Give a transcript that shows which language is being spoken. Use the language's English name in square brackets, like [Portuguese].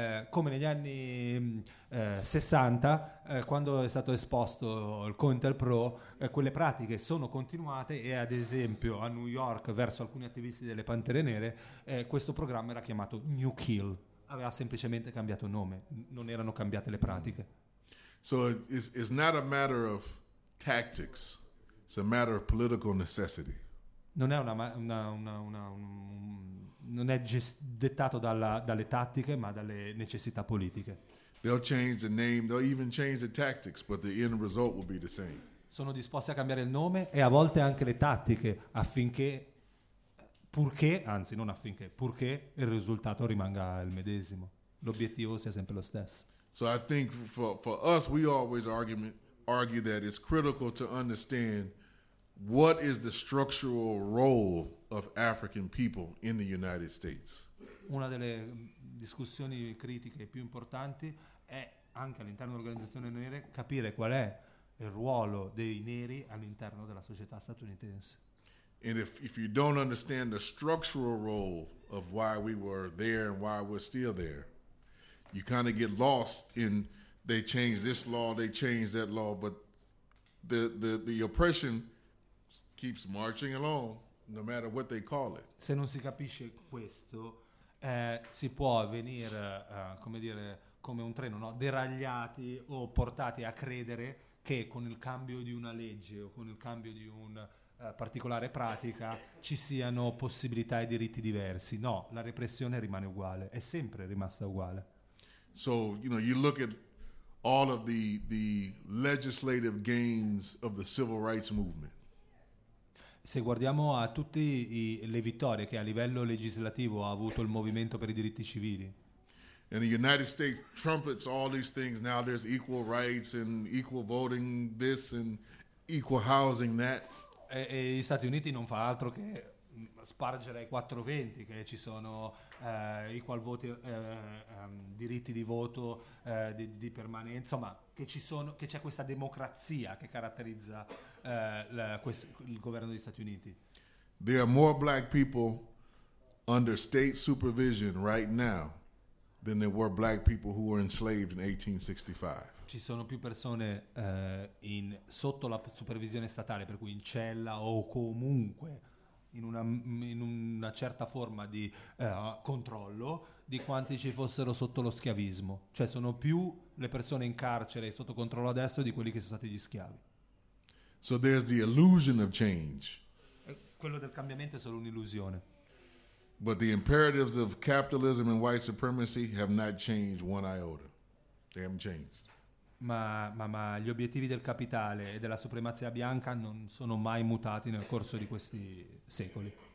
[Italian] come negli anni 60, quando è stato esposto il Counterpro, quelle pratiche sono continuate e ad esempio a New York verso alcuni attivisti delle Pantere Nere, questo programma era chiamato New Kill, aveva semplicemente cambiato nome, non erano cambiate le pratiche. [English] So it's not a matter of tactics, it's a matter of political necessity. [Italian] Non è dettato dalle tattiche, ma dalle necessità politiche. [English] They'll change the name, they'll even change the tactics, but the end result will be the same. [Italian] Sono disposti a cambiare il nome e a volte anche le tattiche purché il risultato rimanga il medesimo. L'obiettivo sia sempre lo stesso. [English] So I think for us we always argue that it's critical to understand what is the structural role of African people in the United States? [Italian] Una delle discussioni critiche più importanti è anche all'interno dell'organizzazione nera capire qual è il ruolo dei neri all'interno della società statunitense. [English] And if you don't understand the structural role of why we were there and why we're still there, you kind of get lost in they changed this law, they changed that law, but the oppression keeps marching along, no matter what they call it. [Italian] Se non si capisce questo, si può venire, come dire, come un treno, no? Deragliati o portati a credere che con il cambio di una legge o con il cambio di una particolare pratica ci siano possibilità e diritti diversi. No, la repressione rimane uguale, è sempre rimasta uguale. [English] So, you know, you look at all of the legislative gains of the civil rights movement. [Italian] Se guardiamo a tutte le vittorie che a livello legislativo ha avuto il movimento per i diritti civili. [English] In the United States trumpets all these things, now there's equal rights and equal voting this and equal housing that. [Italian] E gli Stati Uniti non fa altro che spargere ai 420 che ci sono equal voti, diritti di voto, di permanenza, insomma, che c'è questa democrazia che caratterizza il governo degli Stati Uniti. [English] There are more black people under state supervision right now than there were black people who were enslaved in 1865. [Italian] ci sono più persone sotto la supervisione statale, per cui in cella o comunque in una certa forma di controllo, di quanti ci fossero sotto lo schiavismo. Cioè sono più le persone in carcere sotto controllo adesso di quelli che sono stati gli schiavi. [English] So there's the illusion of change. [Italian] Quello del cambiamento è solo un'illusione. [English] But the imperatives of capitalism and white supremacy have not changed one iota. They haven't changed. [Italian] Ma gli obiettivi del capitale e della supremazia bianca non sono mai mutati nel corso di questi secoli.